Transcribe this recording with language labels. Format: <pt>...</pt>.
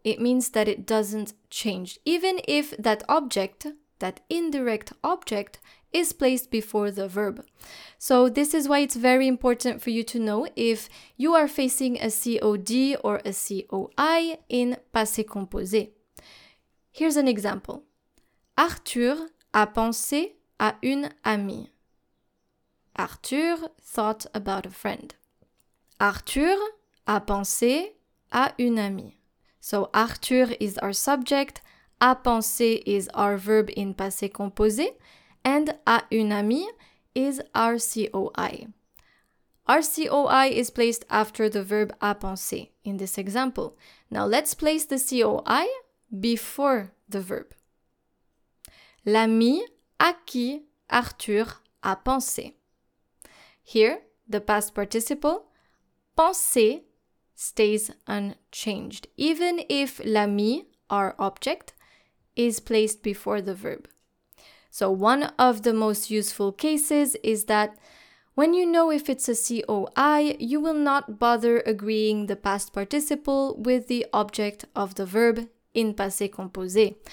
<en>It means that it doesn't change, even if that object, that indirect object, is placed before the verb. So this is why it's very important for you to know if you are facing a COD or a COI in passé composé. Here's an example.</en> <fr>Arthur a pensé à une amie.</fr> <en>Arthur thought about a friend.</en> <fr>Arthur a pensé à une amie.</fr> <en>So Arthur is our subject. A penser is our verb in passé composé, and à une amie is our COI. Our COI is placed after the verb à penser in this example. Now let's place the COI before the verb.</en> <fr>L'ami à qui Arthur a pensé.</fr> <en>Here, the past participle, penser, stays unchanged, even if l'ami, our object, is placed before the verb. So one of the most useful cases is that when you know if it's a COI, you will not bother agreeing the past participle with the object of the verb in passé composé.</en>